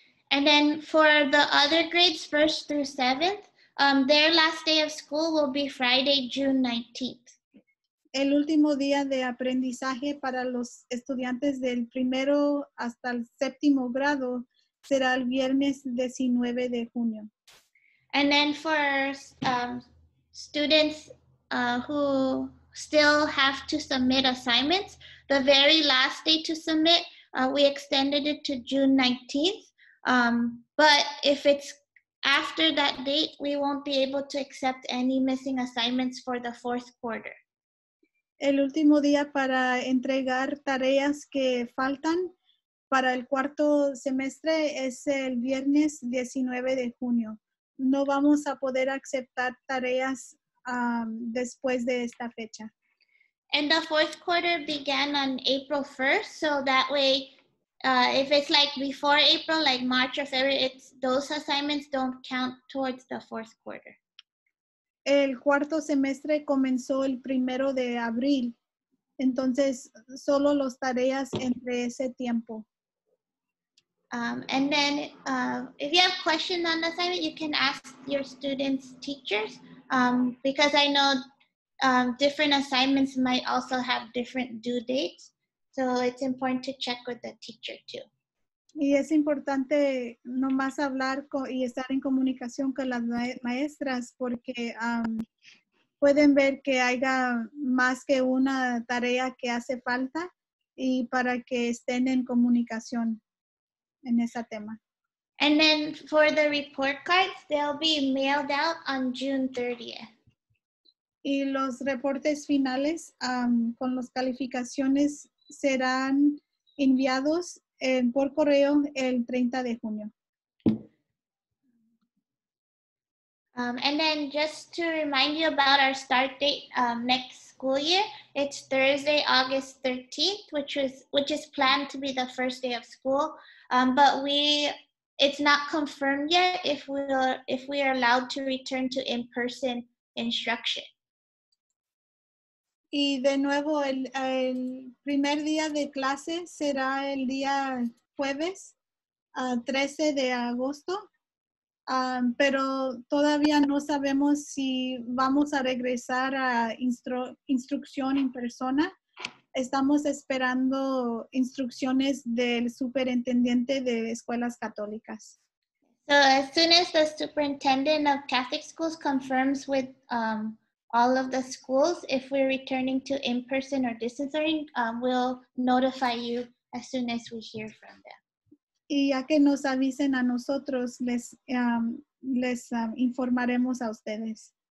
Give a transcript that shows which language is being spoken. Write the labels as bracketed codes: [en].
[en] And then for the other grades, 1st through 7th, their last day of school will be Friday, June 19th. [es] El último día de aprendizaje para los estudiantes del primero hasta el séptimo grado será el viernes 19 de junio. [en] And then for students who still have to submit assignments, the very last day to submit, we extended it to June 19th. But if it's after that date, we won't be able to accept any missing assignments for the fourth quarter. [es] El último día para entregar tareas que faltan para el cuarto semestre es el viernes 19 de junio. No vamos a poder aceptar tareas después de esta fecha. [en] And the fourth quarter began on April 1st, so that way If it's like before April, like March or February, it's those assignments don't count towards the fourth quarter. [es] El cuarto semestre comenzó el primero de abril. Entonces, solo las tareas entre ese tiempo. [en] And then, if you have questions on the assignment, you can ask your students' teachers. Because I know different assignments might also have different due dates. So it's important to check with the teacher too. [es] Y es importante nomás hablar y estar en comunicación con las maestras porque pueden ver que haya más que una tarea que hace falta y para que estén en comunicación en ese tema. [en] And then for the report cards, they'll be mailed out on June 30th. [es] Y los reportes finales con las calificaciones serán enviados por correo el 30 de junio. [en] And then just to remind you about our start date next school year, it's Thursday, August 13th, which is planned to be the first day of school. But it's not confirmed yet if we are allowed to return to in-person instruction. [es] Y de nuevo, el primer día de clase será el día jueves, 13 de agosto. Pero todavía no sabemos si vamos a regresar a instrucción en persona. Estamos esperando instrucciones del superintendente de escuelas católicas. [en] So as soon as the superintendent of Catholic schools confirms with all of the schools if we're returning to in-person or distance learning, we'll notify you as soon as we hear from them. [es] Y ya que nos avisen a nosotros, les informaremos a ustedes.